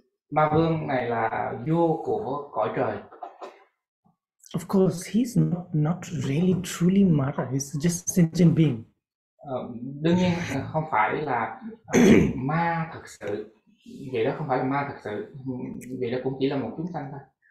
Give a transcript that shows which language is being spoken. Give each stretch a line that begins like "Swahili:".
Vietnamese: Ma Vương này là vua của cõi trời.
English: Of course he's not really truly Mara, he's just a sentient being.
Vietnamese: Đương nhiên không phải là ma thật sự. Vậy đó không phải là ma thật sự. Vậy đó cũng chỉ là một chúng sanh thôi.